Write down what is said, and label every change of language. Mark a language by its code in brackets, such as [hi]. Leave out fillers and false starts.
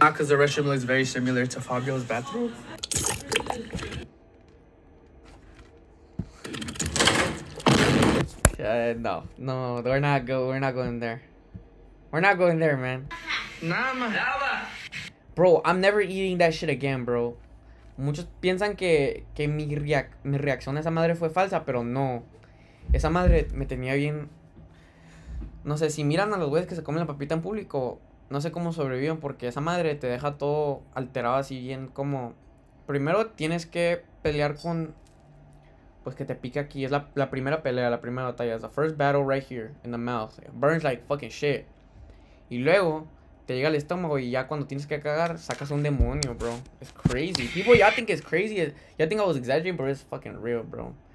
[en] Ah, because the restroom looks very similar to Fabio's bathroom. No, no, we're not going there, man. Nama. Bro, I'm never eating that shit again, bro. [es] Muchos piensan que mi reacción a esa madre fue falsa, pero no. Esa madre me tenía bien. No sé, si miran a los güeyes que se comen la papita en público, no sé cómo sobreviven, porque esa madre te deja todo alterado así bien como. Primero tienes que pelear con. Pues que te pique aquí. Es la primera pelea, la primera batalla. Es [en] the first battle right here in the mouth. It burns like fucking shit. [es] Y luego te llega al estómago y ya cuando tienes que cagar, sacas un demonio, bro. [en] It's crazy. People, y'all think it's crazy. Y'all think I was exaggerating, but it's fucking real, bro.